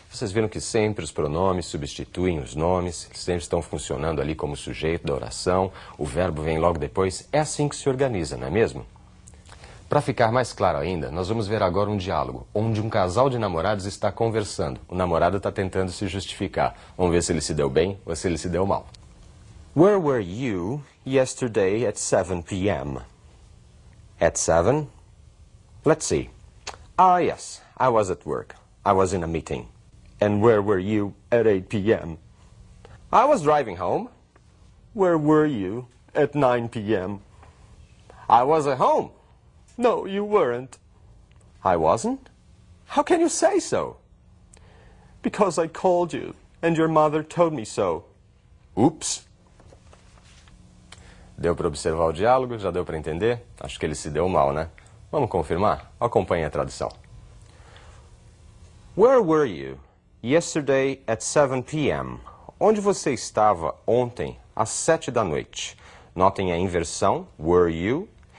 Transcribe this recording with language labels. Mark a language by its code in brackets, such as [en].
[pt] Vocês viram que sempre os pronomes substituem os nomes, sempre estão funcionando ali como sujeito da oração, o verbo vem logo depois. É assim que se organiza, não é mesmo? Para ficar mais claro ainda, nós vamos ver agora um diálogo, onde um casal de namorados está conversando. O namorado está tentando se justificar. Vamos ver se ele se deu bem ou se ele se deu mal. [en] Where were you yesterday at 7 p.m.? At 7? Let's see. Ah, yes, I was at work. I was in a meeting. And where were you at 8 p.m.? I was driving home. Where were you at 9 p.m.? I was at home. No, you weren't. I wasn't? How can you say so? Because I called you, and your mother told me so. Oops. [pt] Deu para observar o diálogo? Já deu para entender? Acho que ele se deu mal, né? Vamos confirmar? Acompanhe a tradução. [en] Where were you yesterday at 7 p.m.? [pt] Onde você estava ontem às 7 da noite? Notem a inversão, [en] were you...